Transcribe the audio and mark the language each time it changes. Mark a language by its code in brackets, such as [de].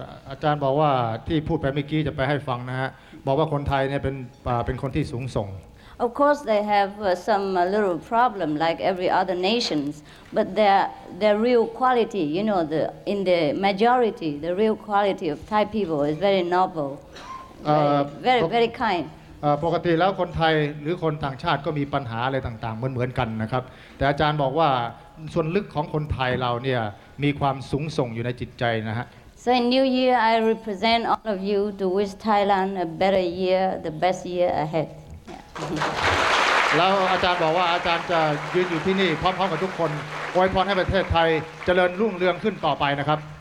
[th] อาจารย์บอกว่าที่พูดไปเมื่อกี้จะไปให้ฟังนะฮะบอกว่าคนไทยเนี่ยเป็นคนที่สูงส่ง [en] Of course, they have some little problem like every other nations, but their real quality, you know, in the majority, the real quality of Thai people is very noble, very very kind. [th] ปกติแล้วคนไทยหรือคนต่างชาติก็มีปัญหาอะไรต่างๆเหมือนกันนะครับแต่อาจารย์บอกว่าส่วนลึกของคนไทยเราเนี่ยมีความสูงส่งอยู่ในจิตใจนะฮะ [en] So in New Year, I represent all of you to wish Thailand a better year, the best year ahead. [th] แล้วอาจารย์บอกว่าอาจารย์จะยืนอยู่ที่นี่พร้อมๆกับทุกคนอวยพรให้ประเทศไทยเจริญรุ่งเรืองขึ้นต่อไปนะครับ